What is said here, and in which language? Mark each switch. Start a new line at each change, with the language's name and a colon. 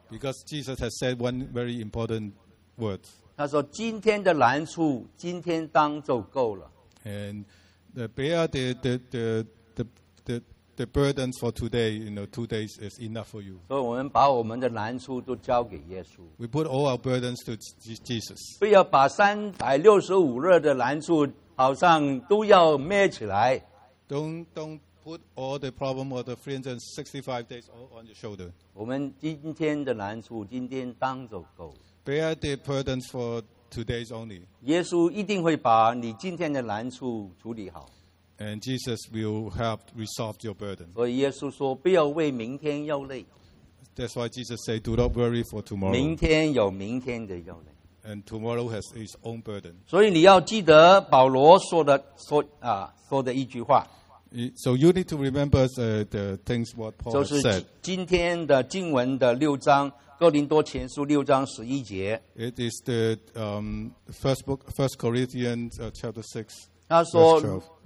English: because Jesus has said one very important word.
Chinese: 他说, 今天的难处, 今天当就够了,
English: and the burdens for today, you know, 2 days is enough for you.
Chinese: 所以我们把我们的难处都交给耶稣。
English: We put all our burdens to Jesus.
Chinese: 不要把365日的难处好像都要孭起来。
English: Don't put all the problem of the 365 days all on your shoulder.
Chinese: 我们今天的难处今天当就够。
English: Bear the burdens for 2 days only.
Chinese: 耶稣一定会把你今天的难处处理好。
English: And Jesus will help resolve your burden.
Chinese: 所以耶稣说,
English: That's why Jesus said, Do not worry for tomorrow.
Chinese: 明天有明天的忧虑。
English: And tomorrow has its own burden.
Chinese: 所以你要记得保罗说的一句话。
English: So you need to remember the things what Paul said.
Chinese: 今天的经文的六章, 哥林多前书六章十一节。
English: It is the first book, First Corinthians chapter 6.